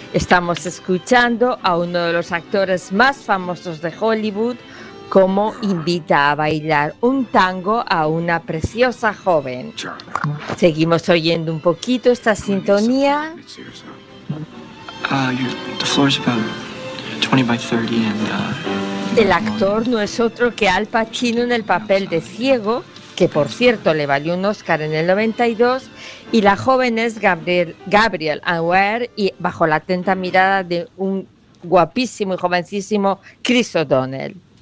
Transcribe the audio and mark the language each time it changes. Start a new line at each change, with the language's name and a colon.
Spanish: Estamos escuchando a uno de los actores más famosos de Hollywood como invita a bailar un tango a una preciosa joven. Seguimos oyendo un poquito esta sintonía.
English: The floor is about 20 by 30 and...
Spanish: El actor no es otro que Al Pacino en el papel de ciego, que por cierto le valió un Oscar en el 92, y la joven es Gabrielle Anwar, y bajo la atenta mirada de un guapísimo y jovencísimo Chris O'Donnell.